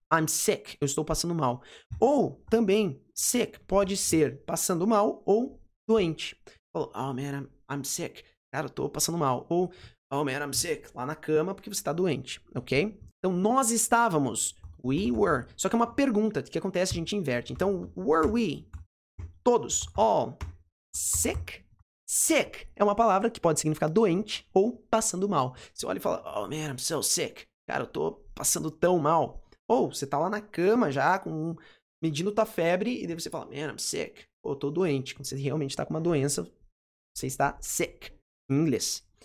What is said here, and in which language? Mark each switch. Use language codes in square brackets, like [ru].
[en] I'm sick, [pt] eu estou passando mal. Ou também, sick pode ser passando mal ou doente. [en] Oh man, I'm sick. [pt] Cara, eu tô passando mal. [en] Ou, oh man, I'm sick. [pt] Lá na cama porque você tá doente, ok? Então, nós estávamos, [en] we were. [pt] Só que é uma pergunta que acontece, a gente inverte. Então, [en] were we, [pt] todos, [en] all, sick? [pt] Sick é uma palavra que pode significar doente ou passando mal. Você olha e fala, [en] oh man, I'm so sick. [pt] Cara, eu tô passando tão mal. Ou você tá lá na cama já, medindo tua febre, e daí você fala, [en] man, I'm sick. [pt] Ou tô doente. Quando você realmente tá com uma doença, você está sick, em inglês.